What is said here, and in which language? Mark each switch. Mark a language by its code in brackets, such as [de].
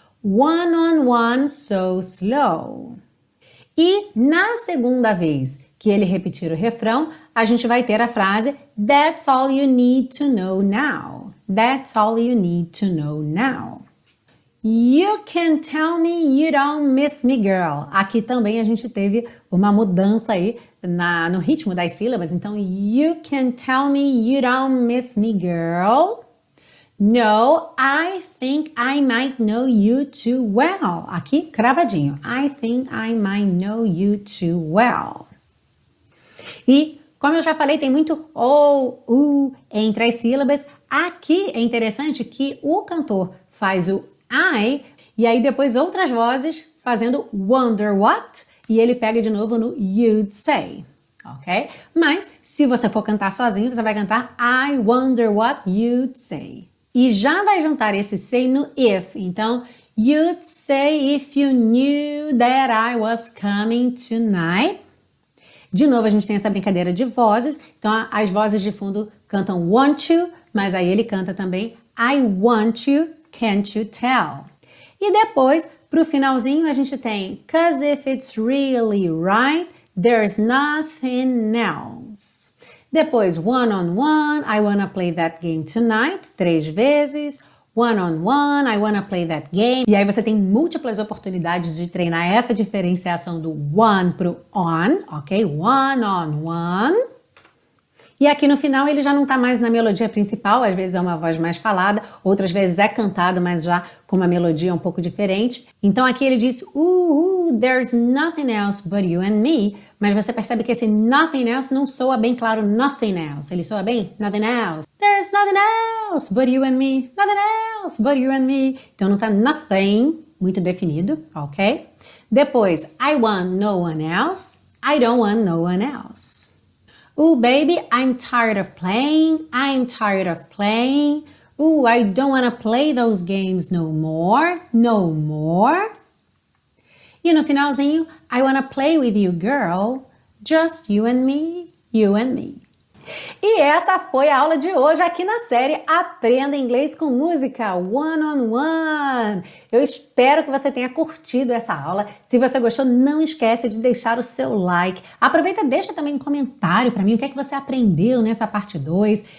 [en] One on one, so slow. [pt] E na segunda vez que ele repetir o refrão, a gente vai ter a frase [en] that's all you need to know now. That's all you need to know now. You can tell me you don't miss me, girl. [pt] Aqui também a gente teve uma mudança aí no ritmo das sílabas. [en] Então, you can tell me you don't miss me, girl. No, I think I might know you too well. [pt] Aqui, cravadinho. [en] I think I might know you too well. [pt] E, como eu já falei, tem muito oh, entre as sílabas. Aqui é interessante que o cantor faz o I, e aí depois outras vozes fazendo [en] wonder what, [pt] e ele pega de novo no [en] you'd say. [pt] Ok? Mas, se você for cantar sozinho, você vai cantar [en] I wonder what you'd say. [pt] E já vai juntar esse say no if. [en] Então, you'd say if you knew that I was coming tonight. [pt] De novo, a gente tem essa brincadeira de vozes. Então, as vozes de fundo cantam [en] want you, [pt] mas aí ele canta também [en] I want you, can't you tell? [pt] E depois, pro finalzinho, a gente tem [en] 'cause if it's really right, there's nothing else. [pt] Depois, [en] one on one, I wanna play that game tonight, [pt] três vezes. [en] one-on-one, I wanna play that game. [pt] E aí você tem múltiplas oportunidades de treinar essa diferenciação do one pro on, ok? [en] One-on-one. [pt] E aqui no final ele já não tá mais na melodia principal, às vezes é uma voz mais falada, outras vezes é cantado, mas já com uma melodia um pouco diferente. Então aqui ele diz, [en] there's nothing else but you and me. [pt] Mas você percebe que esse [en] nothing else [pt] não soa bem claro, nothing else. Ele soa bem, [en] nothing else. There's nothing else but you and me, nothing else but you and me. [pt] Então não tá nothing muito definido, ok? [en] Depois, I want no one else, I don't want no one else. Ooh, baby, I'm tired of playing, I'm tired of playing. Ooh, I don't wanna play those games no more, no more. [pt] E no finalzinho, [en] I wanna play with you, girl, just you and me, you and me. [pt] E essa foi a aula de hoje aqui na série Aprenda Inglês com Música, One on One. Eu espero que você tenha curtido essa aula. Se você gostou, não esquece de deixar o seu like. Aproveita e deixa também um comentário para mim o que é que você aprendeu nessa parte 2.